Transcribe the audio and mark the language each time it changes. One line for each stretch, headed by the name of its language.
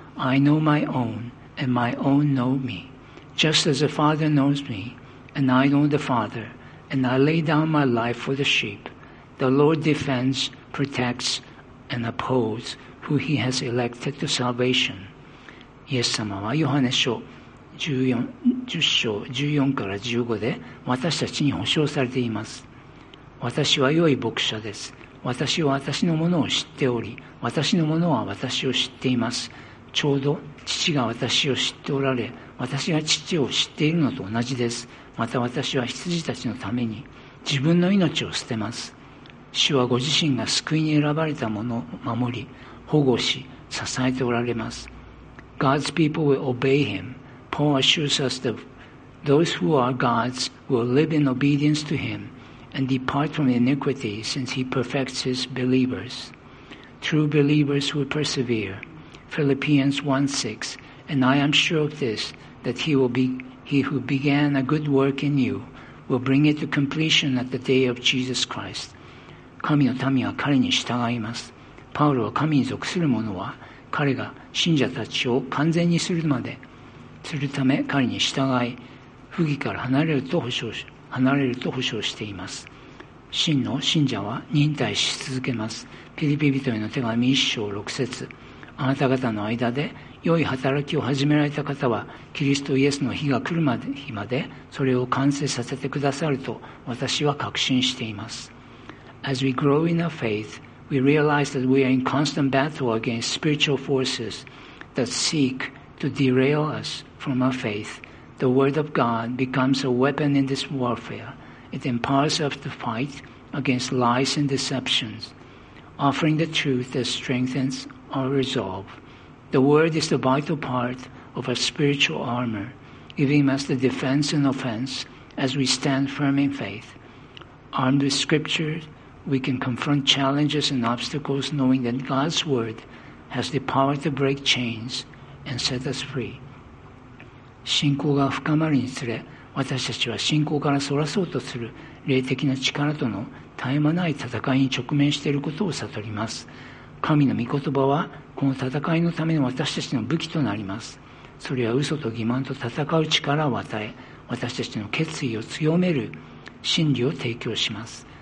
English: I know my own, and my own know me. Just as the Father knows me, and I know the Father, and I lay down my life for the sheep. The Lord defendsprotects and upholds who he has elected to salvation.
Japanese: イエス様はヨハネ書 10章14から15で私たちに保証されています。私は良い牧者です。私は私のものを知っており、私のものは私を知っています。ちょうど父が私を知っておられ、私が父を知っているのと同じです。また私は羊たちのために自分の命を捨てます。主はご自身が救いに選ばれた者を守り、保護し、支えておられます。
English: God's people will obey him. Paul assures us that those who are God's will live in obedience to him and depart from iniquity, since he perfects his believers. True believers will persevere. Philippians 1:6. And I am sure of this, that he who began a good work in you will bring it to completion at the day of Jesus Christ.
Japanese: 神の民は彼に従います。パウロは神に属する者は彼が信者たちを完全にするまでするため彼に従い、不義から離れると保証しています。真の信者は忍耐し続けます。ピリピ人への手紙1章6節。あなた方の間で良い働きを始められた方はキリストイエスの日が来る日までそれを完成させてくださると私は確信しています。
English: As we grow in our faith, we realize that we are in constant battle against spiritual forces that seek to derail us from our faith. The Word of God becomes a weapon in this warfare. It empowers us to fight against lies and deceptions, offering the truth that strengthens our resolve. The Word is the vital part of our spiritual armor, giving us the defense and offense as we stand firm in faith. Armed with Scripture, we can confront challenges and obstacles knowing that God's Word has the power to break chains and set us free.
Japanese: 信仰が深まるにつれ、私たちは信仰からそらそうとする霊的な力との絶え間ない戦いに直面していることを悟ります。神の御言葉はこの戦いのための私たちの武器となります。それは嘘と欺瞞と戦う力を与え、私たちの決意を強める真理を提供します。